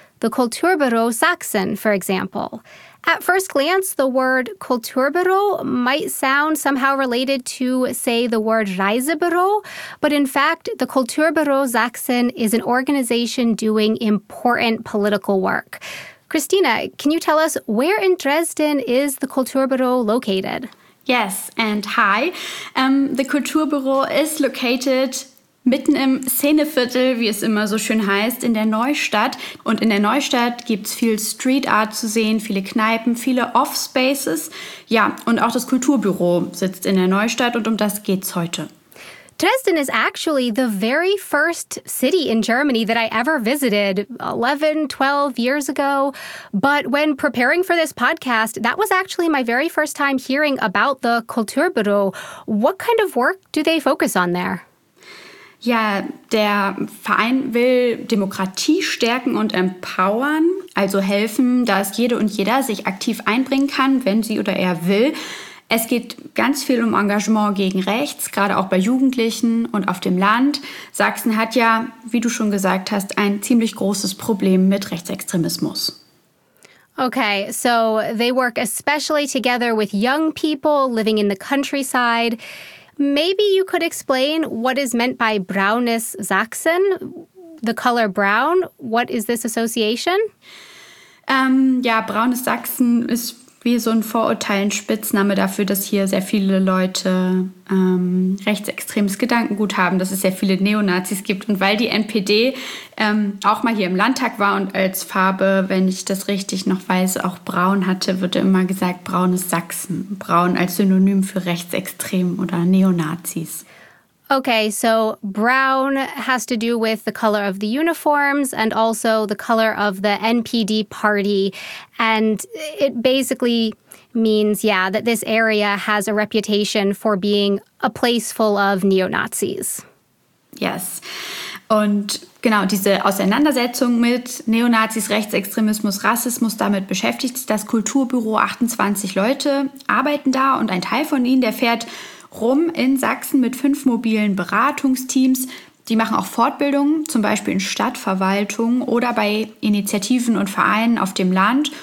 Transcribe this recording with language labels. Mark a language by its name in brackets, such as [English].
[English] The Kulturbüro Sachsen, for example. At first glance, the word Kulturbüro might sound somehow related to, say, the word Reisebüro, but in fact, the Kulturbüro Sachsen is an organization doing important political work. Christina, can you tell us where in Dresden is the Kulturbüro located? Yes, and hi. The Kulturbüro is located [German] mitten im Szeneviertel, wie es immer so schön heißt, in der Neustadt. Und in der Neustadt gibt's viel Street Art zu sehen, viele Kneipen, viele Off-Spaces. Ja, und auch das Kulturbüro sitzt in der Neustadt und um das geht's heute. [English] Dresden is actually the very first city in Germany that I ever visited 11, 12 years ago. But when preparing for this podcast, that was actually my very first time hearing about the Kulturbüro. What kind of work do they focus on there? [German] Ja, der Verein will Demokratie stärken und empowern, also helfen, dass jede und jeder sich aktiv einbringen kann, wenn sie oder er will. Es geht ganz viel um Engagement gegen rechts, gerade auch bei Jugendlichen und auf dem Land. Sachsen hat ja, wie du schon gesagt hast, ein ziemlich großes Problem mit Rechtsextremismus. [English] Okay, so they work especially together with young people living in the countryside. Maybe you could explain what is meant by Braunes Sachsen, the color brown. What is this association? [German] Ja, Braunes Sachsen ist wie so ein Vorurteil, ein Spitzname dafür, dass hier sehr viele Leute rechtsextremes Gedankengut haben, dass es sehr viele Neonazis gibt. Und weil die NPD auch mal hier im Landtag war und als Farbe, wenn ich das richtig noch weiß, auch braun hatte, wurde immer gesagt, braunes Sachsen. Braun als Synonym für Rechtsextremen oder Neonazis. [English] Okay, so brown has to do with the color of the uniforms and also the color of the NPD party. And it basically means, yeah, that this area has a reputation for being a place full of neo-Nazis. Yes. [German] Und genau, diese Auseinandersetzung mit Neonazis, Rechtsextremismus, Rassismus, damit beschäftigt sich das Kulturbüro. 28 Leute arbeiten da und ein Teil von ihnen, der fährt rum in Sachsen mit 5 mobilen Beratungsteams. Die machen auch Fortbildungen, zum Beispiel in Stadtverwaltung oder bei Initiativen und Vereinen auf dem Land.